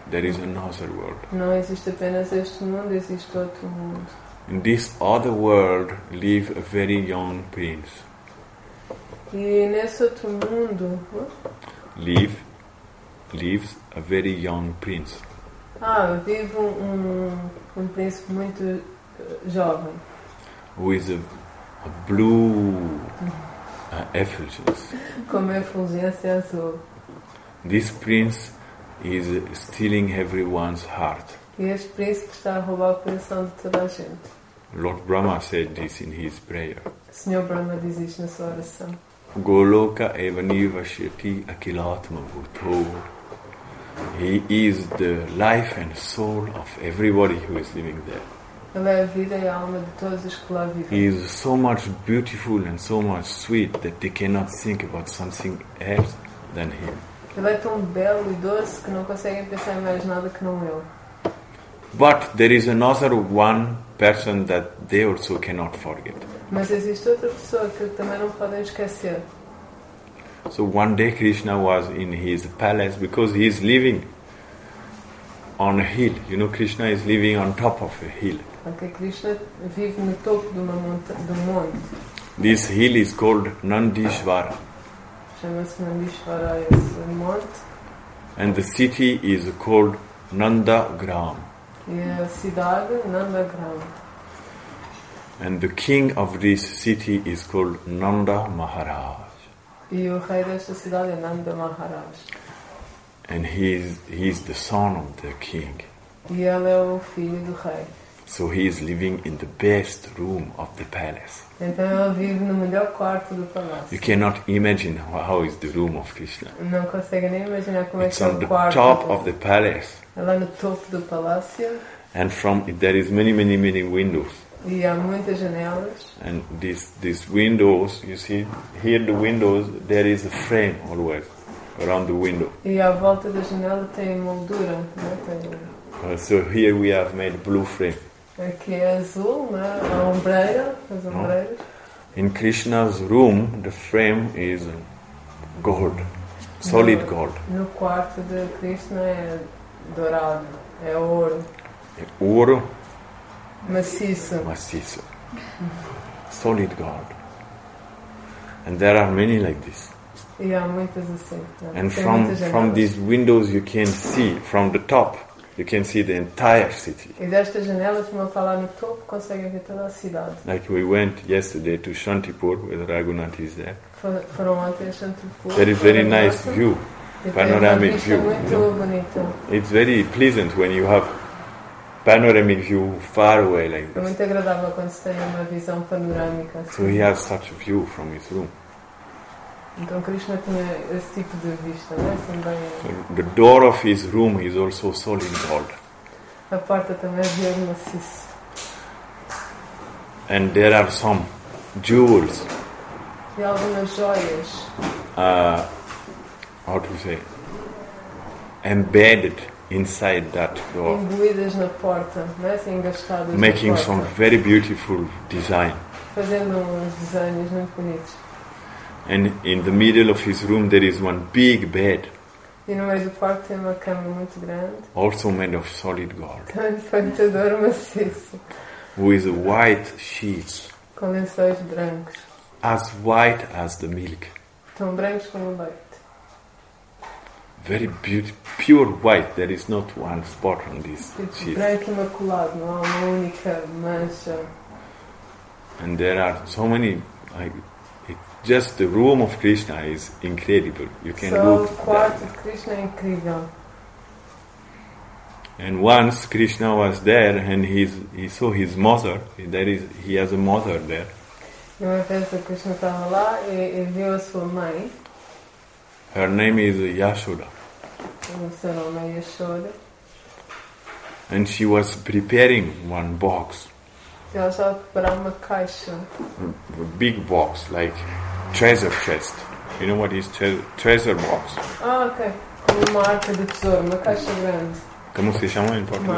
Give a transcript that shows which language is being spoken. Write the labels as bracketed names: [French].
[English] There is another world. [Portuguese] Não existe apenas este mundo, existe outro mundo. [English] In this other world live a very young prince. [Portuguese] E nesse outro mundo... [English] Lives a very young prince. [Portuguese] Ah, vive um príncipe muito jovem. [English] Who is a blue effulgence. [Portuguese] Como effulgence azul. [English] This prince is stealing everyone's heart. [Portuguese] Este príncipe está a roubar o coração de toda a gente. [English] Lord Brahma said this in his prayer. [Portuguese] Senhor Brahma diz isto na sua oração. [Sanskrit] Goloka evanivashyati akilatma bhuto. [English] He is the life and soul of everybody who is living there. [Portuguese] Ele é a vida e a alma de todos os que lá vivem. [English] He is so much beautiful and so much sweet that they cannot think about something else than him. [Portuguese] Ele é tão belo e doce que não conseguem pensar em mais nada que não ele. [English] But there is another one person that they also cannot forget. [Portuguese] Mas existe outra pessoa que também não podem esquecer. [English] So one day Krishna was in his palace because he is living on a hill. You know, Krishna is living on top of a hill. [Portuguese] Okay, Krishna vive no topo de uma monte. [English] This hill is called Nandishvara. [Portuguese] Chama-se Nandishvara, esse monte. [English] And the city is called Nandagram. [Portuguese] E a cidade, Nandagram. [English] And the king of this city is called Nanda Maharaj. [Portuguese] E o rei desta cidade é Nanda Maharaj. [English] And he is the son of the king. [Portuguese] E ele é o filho do rei. [English] So he is living in the best room of the palace. [Portuguese] Então ele vive no melhor quarto do palácio. [English] You cannot imagine how is the room of Krishna. [Portuguese] Não consegue nem imaginar como [English] it's [Portuguese] é o quarto. [English] It's on the top of the palace. [Portuguese] É lá no topo do palácio. [English] And from it there is many, many, many windows. [Portuguese] E há muitas janelas. [English] And these windows, you see, here the windows, there is a frame always around the window. [Portuguese] E à volta da janela tem moldura, não tem. [English] So here we have made blue frame. [Portuguese] Aqui é azul, né? A ombreira, as ombreiras. [English] In Krishna's room, the frame is gold, solid gold. [Portuguese] No quarto de Krishna é dourado, é ouro. É ouro. Maciço. Maciço. [English] Solid gold. And there are many like this. [Portuguese] E há muitas assim. Né? [English] And from these windows you can see from the top. You can see the entire city. [Portuguese] E desta janela, como eu falar no topo, consegue ver toda a cidade. [English] Like we went yesterday to Shantipur, where Raghunath is there. [Portuguese] Foram ontem a Shantipur. [English] There is very nice view, panoramic view. [Portuguese] Muito bonito. [English] It's very pleasant when you have panoramic view far away like this. [Portuguese] É muito agradável quando se tem uma visão panorâmica. [English] So he has such a view from his room. [Portuguese] Então Krishna tinha esse tipo de vista, né? Também. [English] The door of his room is also solid gold. [Portuguese] A porta também é de ouro maciço. [English] And there are some jewels. [Portuguese] E algumas joias. [English] How to say? Embedded inside that door. [Portuguese] Imbuídas na porta, né? Assim, engastadas na porta. [English] Making some very beautiful design. [Portuguese] Fazendo uns desenhos muito bonitos. [English] And in the middle of his room there is one big bed. [Portuguese] E no meio do quarto tem uma cama muito grande. [English] Also made of solid gold. [Portuguese] Feita de ouro maciço. [English] With white sheets. [Portuguese] Com lençóis brancos. [English] As white as the milk. [Portuguese] Tão brancos como o leite. [English] Very beautiful, pure white. There is not one spot on this sheet. Branco imaculado, não há uma única mancha. And there are so many. Just the room of Krishna is incredible. You can so look. [Portuguese] So, quarto de Krishna é incrível. [English] And once Krishna was there, and he saw his mother. There is he has a mother there. [Portuguese] E uma vez o Krishna estava lá e viu a sua mãe. [English] Her name is Yashoda. [Portuguese] O seu nome é Yashoda. [English] And she was preparing one box. [Portuguese] E ela estava preparando uma caixa. [English] A big box, like. Treasure chest. You know what is treasure box? Ah, ok. [Portuguese] Como uma arca de tesouro, uma caixa grande. Como se chama em português?